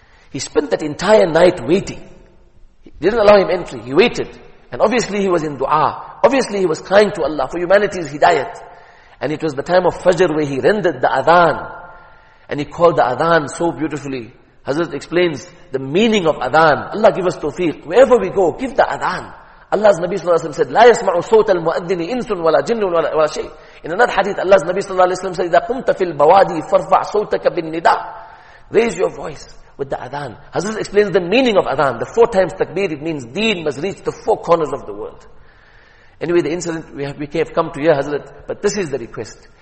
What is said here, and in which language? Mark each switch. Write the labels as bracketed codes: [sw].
[en] He spent that entire night waiting. He didn't allow him entry. He waited. And obviously he was in dua. Obviously he was crying to Allah for humanity's hidayat. And it was the time of Fajr where he rendered the adhan. And he called the adhan so beautifully. Hazrat explains the meaning of adhan. Allah give us tawfiq. Wherever we go, give the adhan. Allah's Nabi Sallallahu Alaihi Wasallam said, [ar] لا يسمع صوت المؤذن إنسٌ ولا جنٌ ولا شيء. [en] In another hadith, Allah's Nabi Sallallahu Alaihi Wasallam said, [ar] إذا قمت في البوادي فرفع صوتك بالنداء. [en] Raise your voice with the adhan. Hazrat explains the meaning of adhan. The four times takbir, it means deen must reach the four corners of the world. Anyway, the incident we have come to hear, Hazrat, but this is the request.